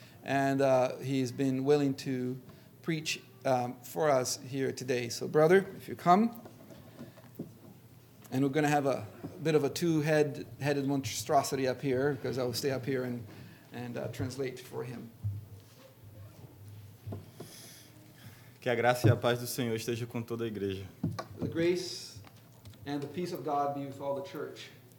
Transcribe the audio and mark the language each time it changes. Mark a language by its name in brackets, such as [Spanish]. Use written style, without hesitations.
[English] And he's been willing to preach for us here today. So brother, if you come. And we're going to have a bit of a two-headed monstrosity up here, because I'll stay up here and translate for him. [Portuguese] Que a graça e a paz do Senhor esteja com toda a igreja. [English] The grace and the peace of God be with all the church.